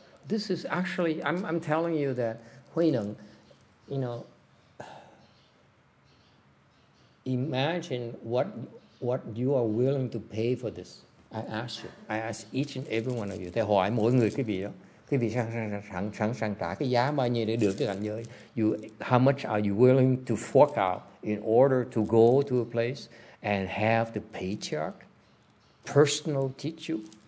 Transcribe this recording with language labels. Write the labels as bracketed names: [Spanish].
[English] This is actually, I'm telling you that Huy Năng, you know, imagine what you are willing to pay for this. I ask each and every one of you. [Vietnamese] Thầy hỏi mỗi người cái vị đó. Cái vị sẵn sàng trả cái giá bao nhiêu để được cái cảnh giới. [English] How much are you willing to fork out in order to go to a place and have the patriarch personal teach you?